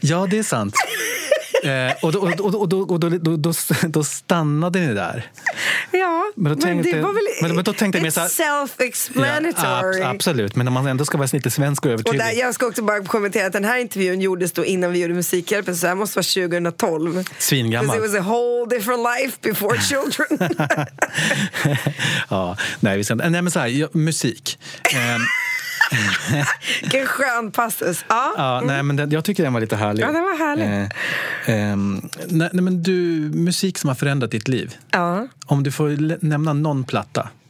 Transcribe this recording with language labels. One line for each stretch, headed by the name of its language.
Swedish: Ja, det är sant. Och då stannade ni där. Ja, men då tänkte jag mer så här, self-explanatory. Ja, absolut, men om man ändå ska vara lite svensk och övertydlig. Och där, jag ska också bara kommentera att den här intervjun gjordes då innan vi gjorde Musikhjälpen, så det måste vara 2012. Svingammal.
English: Because it was a whole different life before children.
Swedish: Ja, nej, vi ska inte. Nej, men så här, musik. Vilken skön passus. Ah. Ja, nej, men den, jag tycker den var lite härlig. Ja, den var härlig. Men du, musik som har förändrat ditt liv. Ja. Om du får nämna någon platta.